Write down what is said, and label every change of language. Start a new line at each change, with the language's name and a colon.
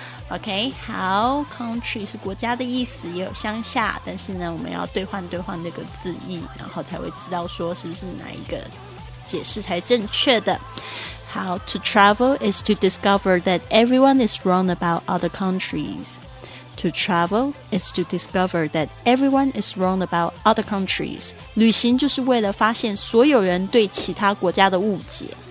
Chinese: OK 好， country 是国家的意思，也有乡下，但是呢我们要兑换那个字义，然后才会知道说是不是哪一个解释才正确的。
English: How to travel is to discover that everyone is wrong about other countries. To travel is to discover that everyone is wrong about other countries.
Chinese: 旅行就是为了发现所有人对其他国家的误解。